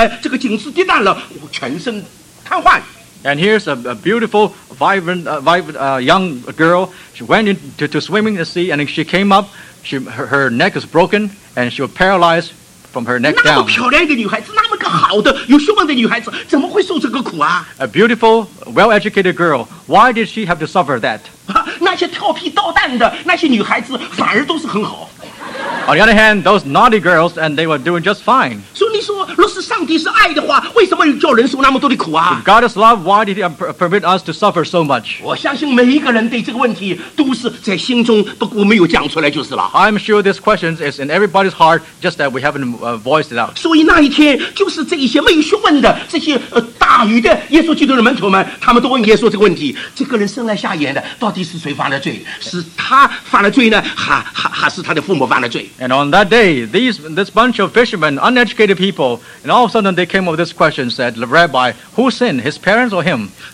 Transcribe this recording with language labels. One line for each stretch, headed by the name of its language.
Chinese: 忽然一个非常康健、非常美丽、非常活泼的年轻的女孩子，哪晓得去游了泳以后上来，这个景致跌宕了，全身瘫痪。
English: And here's a beautiful, vibrant young girl. She went into swimming the sea, and she came up. Her neck is broken, and she was paralyzed from her neck down.
Chinese: 那么漂亮的女孩子,那么个好的,有学问的女孩子,怎么会受这个苦啊?
English: A beautiful, well-educated girl, why did she have to suffer that?
Chinese: 那些调皮捣蛋的,那些女孩子反而都是很好。
English: On the other hand, those naughty girls, and they were doing just fine.
Chinese: 所以你说，若是上帝是爱的话，为什么叫人受那么多的苦啊？
English: If God is love, why did He permit us to suffer so much?
Chinese: 我相信每一个人对这个问题都是在心中，不过没有讲出来就是了。
English: I'm sure this question is in everybody's heart, just that we haven't voiced it out.
Chinese: 所以那一天，就是这一些没有学问的这些大鱼的耶稣基督的门徒们，他们都问耶稣这个问题：这个人生来瞎眼的，到底是谁犯了罪？是他犯了罪呢，还是他的父母犯了罪？
English: And on that day, this bunch of fishermen, uneducated people, and all of a sudden they came up with this question, said, Rabbi, who sinned, his parents or him?